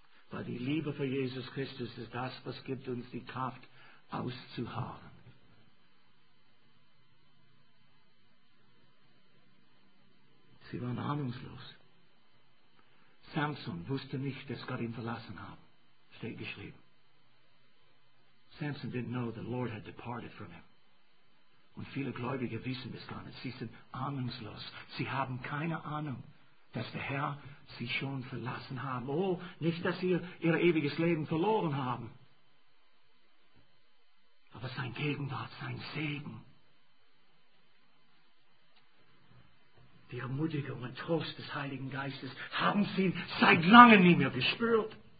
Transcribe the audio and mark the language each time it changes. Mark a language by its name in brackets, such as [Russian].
[German] Weil die Liebe für Jesus Christus ist das, was gibt uns die Kraft, auszuharren. Sie waren ahnungslos. Samson wusste nicht, dass Gott ihn verlassen hat, steht geschrieben. [English] Samson didn't know the Lord had departed from him. [German] Und viele Gläubige wissen das gar nicht. Sie sind ahnungslos. Sie haben keine Ahnung, dass der Herr sie schon verlassen haben. Oh, nicht, dass sie ihr ewiges Leben verloren haben. Aber sein Gegenwart, sein Segen, die Ermutigung und Trost des Heiligen Geistes haben sie seit langem nie mehr gespürt.